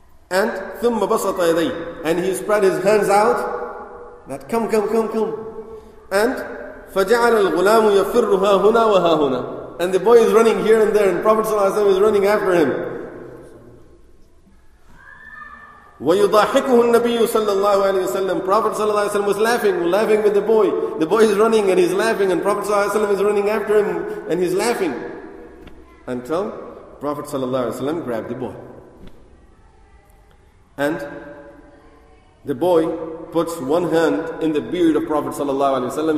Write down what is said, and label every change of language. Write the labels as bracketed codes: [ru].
[en] And [ar] ثُمَّ بَسَطَ يَدَيْهِ [en] And he spread his hands out, that come. And [ar] فَجَعَلَ الْغُلَامُ يَفِرُّهَا هُنَا وَهَا هُنَا [en] And the boy is running here and there, and Prophet sallallahu alaihi wasallam is running after him. [ar] وَيُضَاحِكُهُ النَّبِيُّ صَلَّى اللَّهُ عَلَيْهِ وَسَلَّمُ Prophet صلى الله عليه وسلم [en] was laughing with the boy. The boy is running and he's laughing, and Prophet صلى الله عليه وسلم is running after him and he's laughing. Until Prophet صلى الله عليه وسلم grabbed the boy. And the boy puts one hand in the beard of Prophet صلى الله عليه وسلم.